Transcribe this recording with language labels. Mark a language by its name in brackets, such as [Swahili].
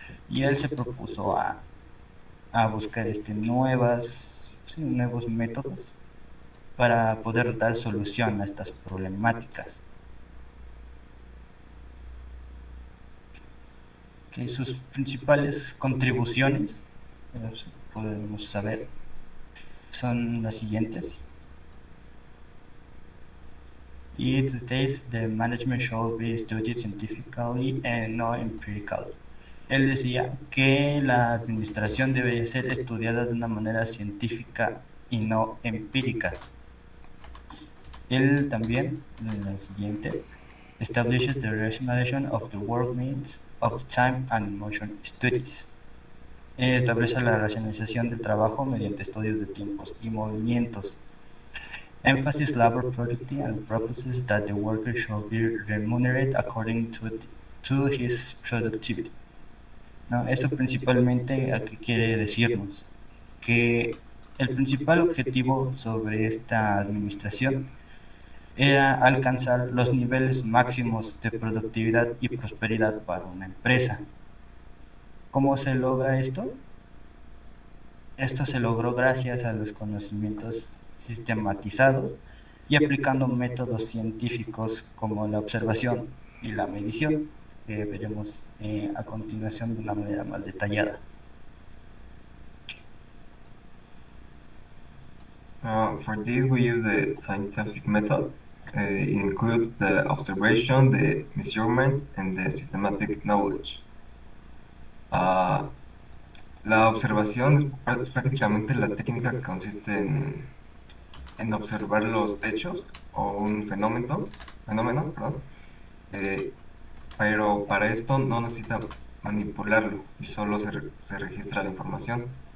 [Spanish] Y él se propuso a buscar nuevos métodos para poder dar solución a estas problemáticas. Que sus principales contribuciones, podemos saber, son las siguientes. [English] These days, the management should be studied scientifically and not empirically. [Spanish] Él decía que la administración debe ser estudiada de una manera científica y no empírica. Él también, la siguiente. [English] Establishes the relation of the work means of time and motion studies. [Spanish] establece la racionalización del trabajo mediante estudios de tiempos y movimientos. [English] Emphasis labor productivity and proposes that the worker shall be remunerated according to his productivity. [Spanish] ¿No? Eso principalmente a qué quiere decirnos. Que el principal objetivo sobre esta administración era alcanzar los niveles máximos de productividad y prosperidad para una empresa. ¿Cómo se logra esto? Esto se logró gracias a los conocimientos sistematizados y aplicando métodos científicos como la observación y la medición, que veremos a continuación de una manera más detallada. [English] For this, we use the scientific method. It includes the observation, the measurement, and the systematic knowledge. [Spanish] La observación es prácticamente la técnica que consiste en observar los hechos o un fenómeno, perdón. Pero para esto no necesita manipularlo y solo se registra la información.